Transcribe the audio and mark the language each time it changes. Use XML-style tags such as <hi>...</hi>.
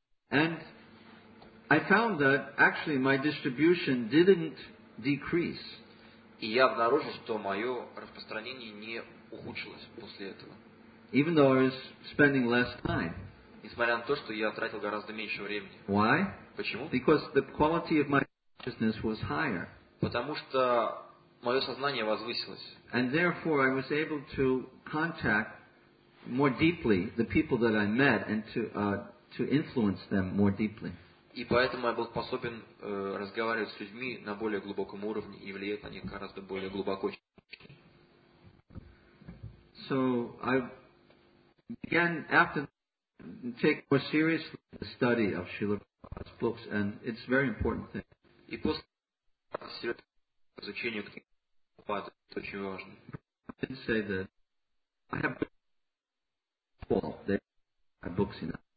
<en>And I found that actually my distribution didn't decrease.</en> <ru>И я обнаружил, что мое распространение не ухудшилось после этого.</ru> <en>Even though I was spending less time.</en> <ru>Несмотря на то, что я тратил гораздо меньше времени.</ru> <en>Why?</en> <ru>Почему?</ru> <en>Because the quality of my consciousness was higher.</en> <ru>Потому что мое сознание возвысилось.</ru> <en>And therefore I was able to contact more deeply the people that I met and to influence them more deeply.</en> <ru>И поэтому я был способен разговаривать с людьми на более глубоком уровне и влиять на них гораздо более глубоко.</ru> <en>So I began after take more seriously the study of Srila Prabhupada's books, and it's a very important thing.</en> <ru>И после изучения книг Прабхупады это очень важно.</ru> <en>I didn't say that I have all the books in.</en>